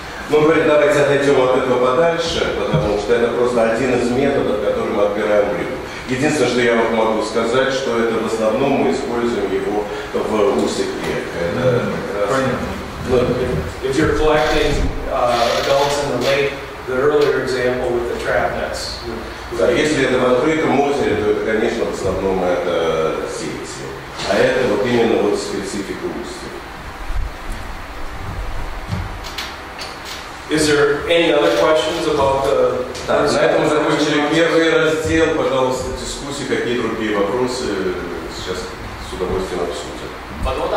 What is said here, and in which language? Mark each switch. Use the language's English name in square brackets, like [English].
[Russian] Ну, говорит, давайте отойдем от этого подальше, потому что это просто один из методов, которым мы отбираем рыбу. Единственное, что я вам могу сказать, что это в основном мы используем его в устьях рек. [English] If you're collecting adults in the lake, the earlier example with the trap nets. [Russian] Да, если это в открытом озере, то это, конечно, в основном это сети. А это вот именно вот специфика устья. [English] Is there any other questions about the... [Russian] Да, на этом закончили первый раздел. Пожалуйста, дискуссии, какие другие вопросы сейчас с удовольствием обсудим.